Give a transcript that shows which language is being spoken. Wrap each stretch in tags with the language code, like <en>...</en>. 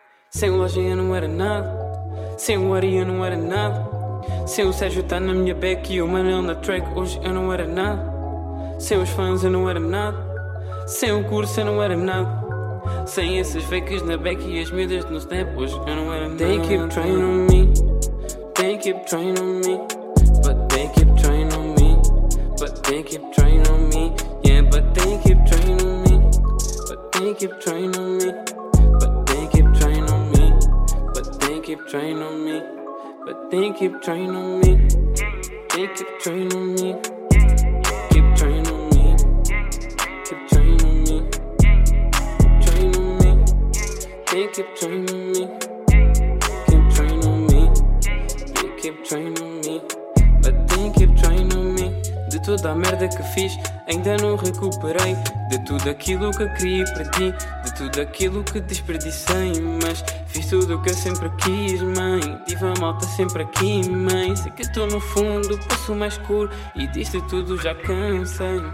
<pt>Sem o Lajinha não era nada. Sem o Arinha não era nada. Sem o Sérgio tá na minha back e o Manel na track, hoje eu não era nada. Sem os fãs eu não era nada. Sem o curso eu não era nada. Sem esses fakes na back e as medas no snap, hoje eu não era nada.</pt> <en>They keep trying on me. They keep trying on me. But they keep trying on me. But they keep trying on me. Yeah, but they keep trying on me. But they keep trying on me. But they keep trying on me. But they keep trying on me. But they keep trying on me. They keep trying on me. Keep trying on me. Keep trying on me. Keep trying on me. They keep trying on me. Keep trying on me. They keep trying on me. But they keep trying on me.</en> <pt>De toda a merda que fiz, ainda não recuperei. De tudo aquilo que criei para ti, de tudo aquilo que desperdicei. Mas fiz tudo o que eu sempre quis, mãe. Tive a malta sempre aqui, mãe. Sei que estou no fundo, poço mais escuro. E disto tudo já cansei.</pt>